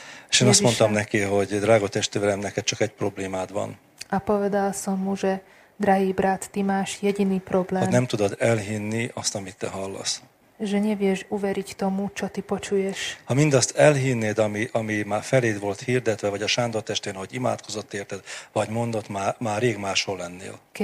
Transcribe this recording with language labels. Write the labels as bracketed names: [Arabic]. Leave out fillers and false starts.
[Hungarian] És én azt mondtam neki, hogy drága testvérem, neked csak egy problémád van. [Slovak] A povedal som mu, že drahý brat, ty máš jediný problém. [Hungarian] Hogy nem tudod elhinni azt, amit te hallasz. [Slovak] Že nevieš uveriť tomu, čo ty počuješ. [Hungarian] Ha mindazt elhinnéd, ami már feléd volt hirdetve, vagy a Sándor testén, hogy imádkozott érted, vagy mondott, már rég máshol lennél.